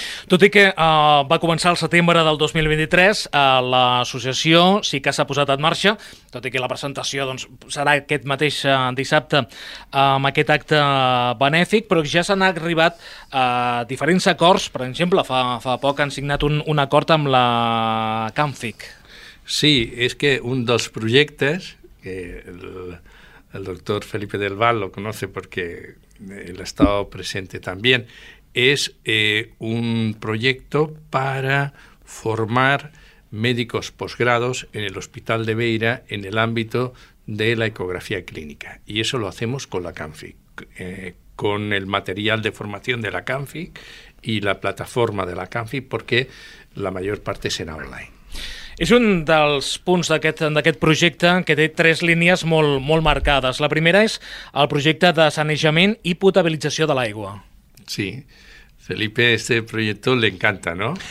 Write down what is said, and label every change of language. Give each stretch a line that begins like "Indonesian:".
Catalan: Tot i que va començar el setembre del 2023, l'associació sí que s'ha posat en marxa, tot i que la presentació doncs, serà aquest mateix dissabte amb aquest acte benèfic, però ja s'han arribat a diferents acords. Per exemple, fa poc han signat un acord amb la Canfic. Sí, és que un dels projectes, que
Spanish: el doctor Felipe del Val lo conoce porque él ha estado presente también, es un proyecto para formar médicos posgrados en el Hospital de Beira en el ámbito de la ecografía clínica. Y eso lo hacemos con la Canfic, con el material de formación de la Canfic y la plataforma de la Canfic, porque la mayor parte será online.
Catalan: És un dels punts d'aquest projecte que té tres línies molt marcades. La primera és el projecte de sanejament i potabilització de l'aigua. Sí.
Spanish: Felipe, este proyecto le encanta, ¿no?